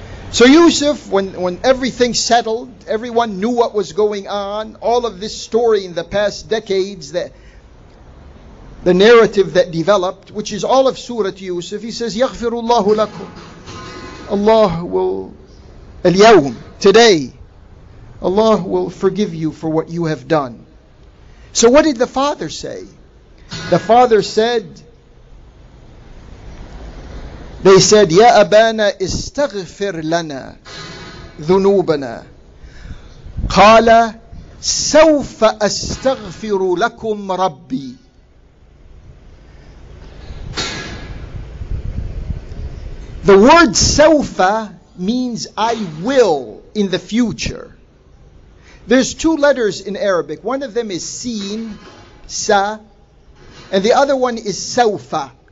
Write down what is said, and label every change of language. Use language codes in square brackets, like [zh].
[en] So Yusuf, when everything settled, everyone knew what was going on, all of this story in the past decades, that the narrative that developed, which is all of Surah Yusuf, he says, [ar] يَغْفِرُ اللَّهُ لَكُمْ. [en] Allah will, اليوم, today, Allah will forgive you for what you have done. So what did the father say? The father said, they said, [ar] يَا أَبَانَا اِسْتَغْفِرْ لَنَا ذُنُوبَنَا قَالَ سَوْفَ أَسْتَغْفِرُ لَكُمْ رَبِّي. [en] The word sawfa means I will in the future. There's two letters in Arabic. One of them is seen, sa, and the other one is sawfa.